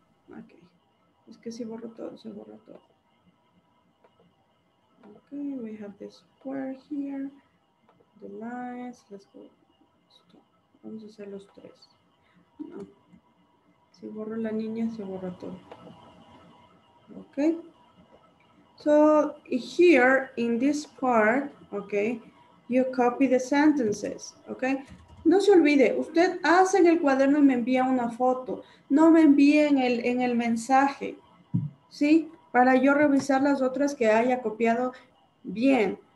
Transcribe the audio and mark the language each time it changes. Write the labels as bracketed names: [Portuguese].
[Spanish] Okay, es que si borro todo, se borra todo. [English] Okay, we have this square here, the lines, let's go. [Spanish] Stop. Vamos a hacer los tres. No. Si borro la niña, se borra todo. [English] Okay, so here in this part, okay, you copy the sentences, okay? [Spanish] No se olvide, usted hace en el cuaderno y me envía una foto. No me envíe en el mensaje, ¿sí? Para yo revisar las otras que haya copiado bien.